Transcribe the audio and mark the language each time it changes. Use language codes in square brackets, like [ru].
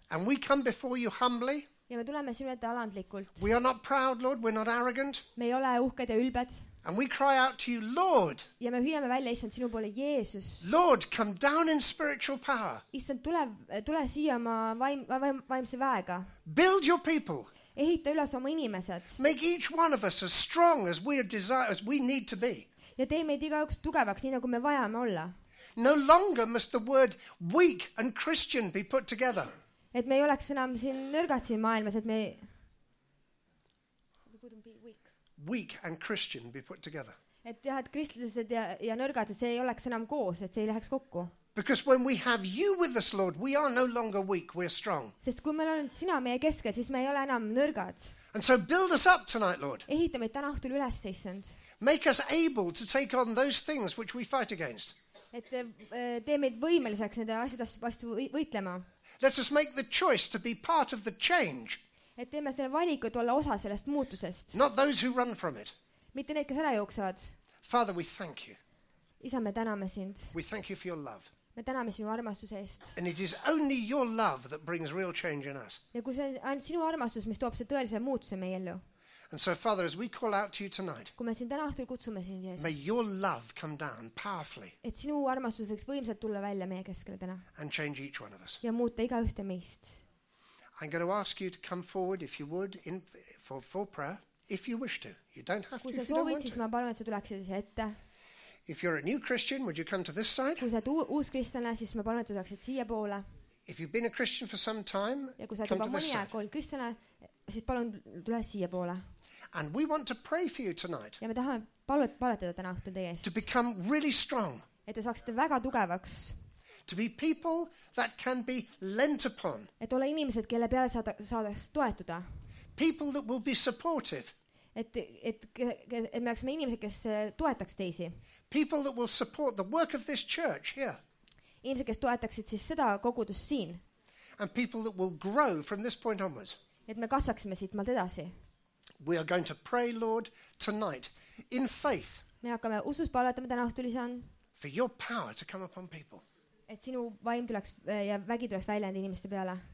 [en] And we come before you humbly. [et] Ja me tuleme sinu ette alandlikult. [en] We are not proud, Lord, we're not arrogant. [et] Me ei ole uhked ja ülbed. [en] And we cry out to you, Lord. [et] Ja me hüüame välja issand sinu poole Jeesus. [en] Lord, come down in spiritual power. [et] Issand tule siia oma vaimse väega. [en] Build your people. [et] Ehita üles oma inimesed. [en] Make each one of us as strong as we desire as we need to be. [et] Ja tee meid igaüks tugevaks nii nagu me vajame olla. [en] No longer must the word weak and Christian be put together. [et] Et me ei oleks enam siin nõrgad siin maailmas, et me [en] weak and Christian be put together. [et] Et ja et kristlased ja nõrgad see ei oleks enam koos, et see ei läheks kokku. [en] Because when we have you with us, Lord, we are no longer weak, we are strong. [et] Sest kui meil on sina meie keskel, siis me ei ole enam nõrgad. [en] And so build us up tonight, Lord. [et] Ehita meid täna õhtul üles seisand. [en] Make us able to take on those things which we fight against. [et] Et tee meid võimeliseks nende asjade vastu võitlema. [en] Let us make the choice to be part of the change. [et] Et teeme selle valiku, et olla osa sellest muutusest. [en] Not those who run from it. [et] Mitte need, kes ära jooksevad. [en] Father, we thank you. [et] Isa, me täname sind. [en] We thank you for your love. [et] Me täname sinu armastuse eest. [en] And it is only your love that brings real change in us. [et] Ja kui see on sinu armastus, mis toob see tõelise muutuse meie ellu. [en] And so, Father, as we call out to you tonight, [et] kui me siin täna õhtul kutsume sind, Jeesus, [en] may your love come down powerfully. [et] Et sinu armastus võiks võimsalt tulla välja meie keskele täna. [en] And change each one of us. [et] Ja muuta iga ühte meist. [en] I'm going to ask you to come forward if you would in for prayer if you wish to. You don't have to. [et] Kui sa soovid, siis ma palun, et sa tuleksid siia ette. [en] If you're a new Christian, would you come to this side? [et] Kui sa oled uus kristlane, siis ma palun, et sa tuleksid siia poole. [en] If you've been a Christian for some time, [et] ja kui sa oled mõni aeg olnud kristlane, siis palun tule siia poole. [en] And we want to pray for you tonight. [et] Ja me tahame palutada täna õhtul teie eest. [en] To become really strong. [et] Et te saaksite väga tugevaks. [en] To be people that can be lent upon. [et] Et ole inimesed, kelle peale saada toetuda. [en] People that will be supportive. [et] Et me oleksime inimesed, kes toetaks teisi. [en] People that will support the work of this church here. [et] Inimesed, kes toetaksid siis seda kogudus siin. [en] And people that will grow from this point onwards. [et] Et me kasvaksime siit maalt edasi. [en] We are going to pray, Lord, tonight in faith. [et] Me hakkame usus palvetama täna õhtul, Isa. [en] For your power to come upon people. [et] Et sinu vaim tuleks ja vägi tuleks välja enda inimeste peale.